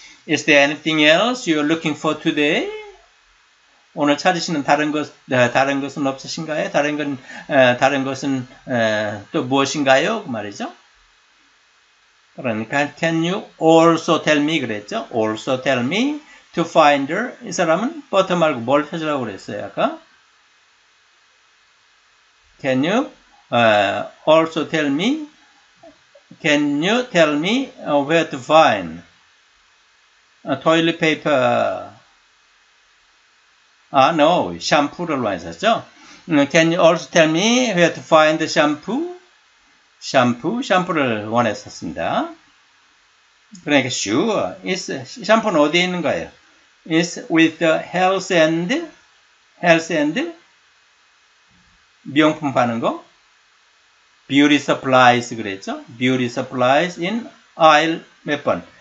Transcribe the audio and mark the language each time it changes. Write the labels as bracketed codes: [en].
[en] Is there anything else you're looking for today? [ko] 오늘 찾으시는 다른 것, 다른 것은 없으신가요? 다른 건, 다른 것은, 또 무엇인가요? 그 말이죠. 그러니까, [en] can you also tell me? [ko] 그랬죠. [en] Also tell me to find her. [ko] 이 사람은 버터 말고 뭘 찾으라고 그랬어요, 아까? [en] Can you, also tell me? Can you tell me where to find? Toilet paper. [ko] 아, no, 샴푸를 많이 썼죠? [en] Can you also tell me where to find the shampoo? [ko] 샴푸, 샴푸를 원했었습니다. 그러니까, sure, is, 샴푸는 어디에 있는 거예요? [en] It's with the health and, [ko] 미용품 파는 거? [en] Beauty supplies 그랬죠? Beauty supplies in aisle 몇 번?